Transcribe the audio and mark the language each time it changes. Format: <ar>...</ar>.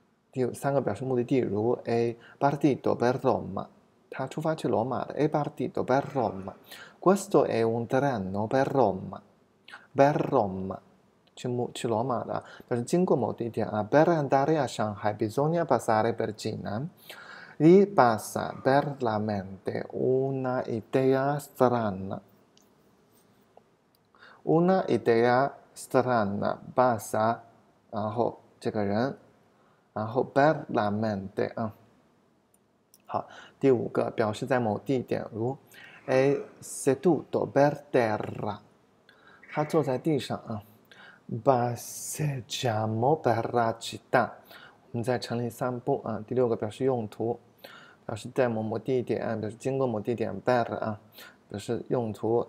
<zh>第三个表示目的地，如</zh> <it>è partito per Roma。</it> <zh>他出发去罗马的。</zh> <it>È partito per Roma. Questo è un treno per Roma. Per Roma，</it> <zh>去罗马的，表示经过某地点啊。</zh> <it>Per andare a Shanghai bisogna passare per Jinan. Gli passa per la mente una idea strana. Una idea strana passa，</it> <zh>然后这个人，然后</zh> <it>per la mente</it> <zh>啊。好，第五个表示在某地点，如</zh> <it>è seduto per terra，</it> <zh>他坐在地上啊。</zh> <it>Passeggiamo per la città，</it> <zh>我们在城里散步啊。第六个表示用途，表示在某某地点，表示经过某地点 per 啊，表示用途。</zh>